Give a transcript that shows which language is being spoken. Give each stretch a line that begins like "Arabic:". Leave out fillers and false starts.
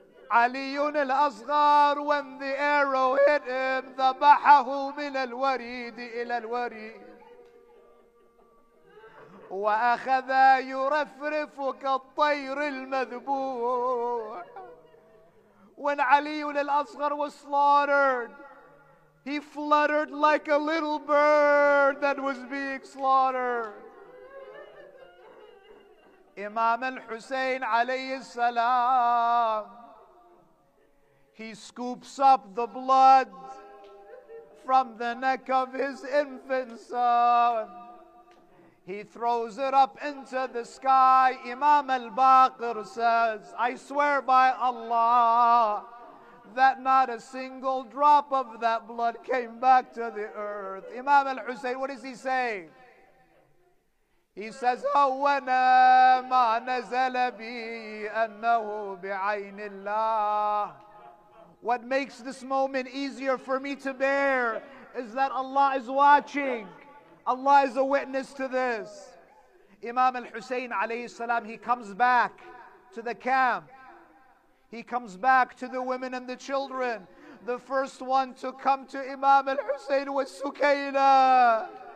English: Ali al-Asghar, when the arrow hit him,
Arabic: ذبحه من الوريد إلى الوريد وأخذ يرفرف كالطير المذبوح.
English: When Ali al-Asghar was slaughtered, he fluttered like a little bird that was being slaughtered. Imam al-Husayn alayhi salam, he scoops up the blood from the neck of his infant son. He throws it up into the sky. Imam al-Baqir says, I swear by Allah that not a single drop of that blood came back to the earth. Imam al-Husayn, what is he saying? He says,
Arabic: هَوَّنَا مَا نَزَلَ بِي أَنَّهُ بِعَيْنِ اللَّهِ.
English: What makes this moment easier for me to bear is that Allah is watching. Allah is a witness to this. Imam al-Husayn alayhi salam, he comes back to the camp. He comes back to the women and the children. The first one to come to Imam al-Husayn was Sukayna.